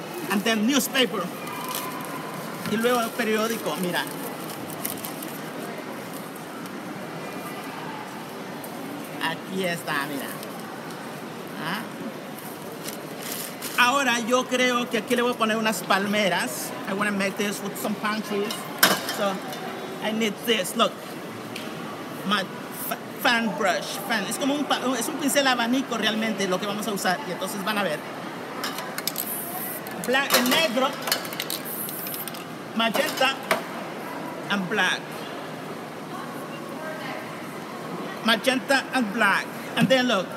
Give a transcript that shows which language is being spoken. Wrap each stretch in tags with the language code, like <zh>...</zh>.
<en>And then newspaper.</en> <es>Y luego el periódico, mira. Aquí está, mira. ¿Ah? Ahora yo creo que aquí le voy a poner unas palmeras.</es> <en>I want to make this with some palm trees. So, I need this. Look. My fan brush. Fan.</en> <es>Es como un pincel abanico realmente lo que vamos a usar. Y entonces van a ver.</es> <en>Black and negro. Magenta. And black. Magenta and black. And then look.</en>